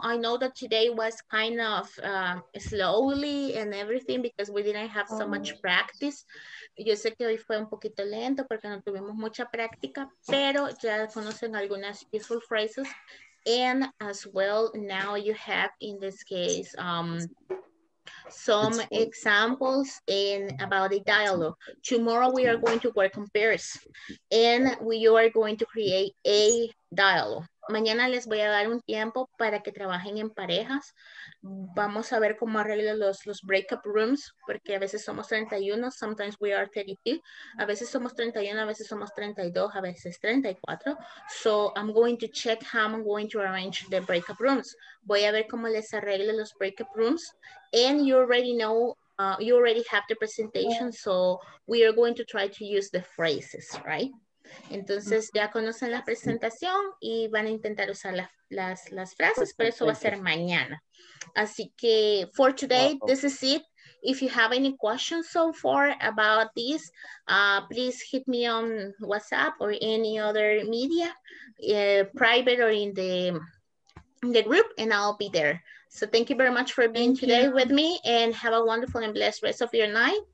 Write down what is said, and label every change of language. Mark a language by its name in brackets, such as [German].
[English] I know that today was kind of slowly and everything because we didn't have so much practice. [Spanish] Yo sé que hoy fue un poquito lento porque no tuvimos mucha práctica, pero ya conocen algunas [English] useful phrases. And as well, now you have in this case some examples in about the dialogue. Tomorrow we are going to work on pairs and we are going to create a dialogue. [Spanish] Mañana les voy a dar un tiempo para que trabajen en parejas. Vamos a ver cómo arreglo los breakup rooms, porque a veces somos 31, [English] sometimes we are 32, [Spanish] a veces somos 31, a veces somos 32, a veces 34. [English] So I'm going to check how I'm going to arrange the breakup rooms. [Spanish] Voy a ver cómo les arreglo los breakup rooms. [English] And you already know, you already have the presentation, so we are going to try to use the phrases, right? [Spanish] Entonces ya conocen la presentación y van a intentar usar las frases, pero eso va a ser mañana. Así que [English] for today, this is it. If you have any questions so far about this, please hit me on WhatsApp or any other media, private or in the group, and I'll be there. So thank you very much for being today with me, and have a wonderful and blessed rest of your night.